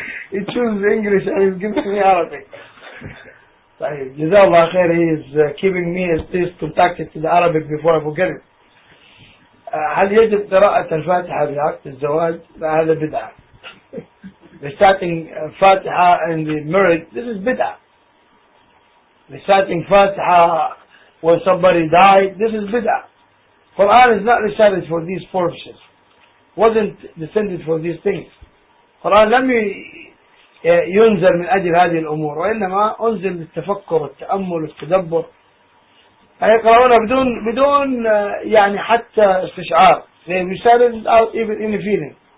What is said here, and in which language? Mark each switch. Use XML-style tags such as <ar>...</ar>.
<en>He chooses English and he's giving me Arabic. Jazakallah khair, he is keeping me at least contacted to the Arabic before I forget it.</en> <ar>هل يجب قراءة الفاتحة في عقد الزواج؟ هذا بدعة.</ar> <en>Reciting Fatiha in the marriage, this is bid'ah. Reciting Fatiha when somebody died, this is bid'ah. Quran is not recited for these purposes. Wasn't descended for these things.</en> <ar>Quran لم ينزل من أجل هذه الأمور وإنما أنزل للتفكر والتأمل والتدبر. يقرأون بدون يعني حتى استشعار.</ar> <en>They recited without even any feeling.</en>